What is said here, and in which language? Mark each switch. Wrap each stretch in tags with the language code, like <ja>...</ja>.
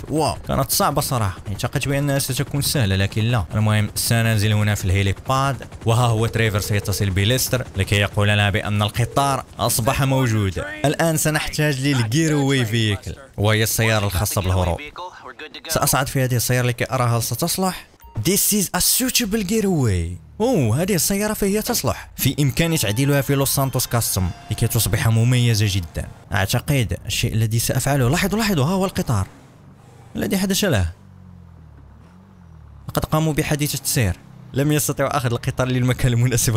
<ar>واو كانت صعبة صراحة، اعتقدت بأنها ستكون سهلة لكن لا. المهم سننزل هنا في الهيليباد، وها هو تريفر سيتصل بليستر لكي يقول لنا بأن القطار أصبح موجودا. الآن سنحتاج للجيروي فيكل، وهي السيارة الخاصة بالهروب. سأصعد في هذه السيارة لكي أرى هل ستصلح.</ar> <en>This is a suitable getaway.</en> <ar>أوه هذه السيارة فهي تصلح، في إمكاني تعديلها في لوس سانتوس كاستم لكي تصبح مميزة جدا. أعتقد الشيء الذي سأفعله، لاحظوا لاحظوا ها هو القطار. ما الذي حدث له؟ لقد قاموا بحادثة سير، لم يستطيعوا أخذ القطار للمكان المناسب.</ar>